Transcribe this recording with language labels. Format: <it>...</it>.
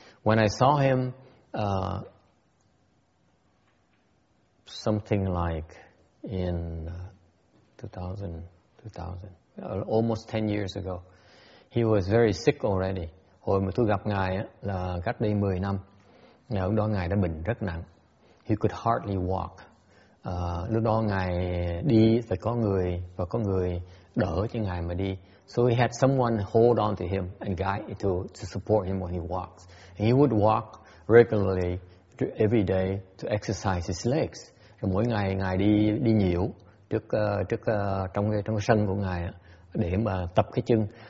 <en>When I saw him, something like in 2000, almost 10 years ago. He was very sick already.</en> <vi>Hồi mà tôi gặp ngài là cách đây 10 năm. Ngày lúc đó ngài đã bệnh rất nặng.</vi> <en>He could hardly walk.</en> <vi>Lúc đó ngài đi phải có người và có người đỡ cho ngài mà đi.</vi> <en>So he had someone hold on to him and guide to support him when he walks. And he would walk regularly every day to exercise his legs.</en> <vi>Rồi mỗi ngày ngài đi nhiều. Trước trong sân của ngài để mà tập cái chân.</vi>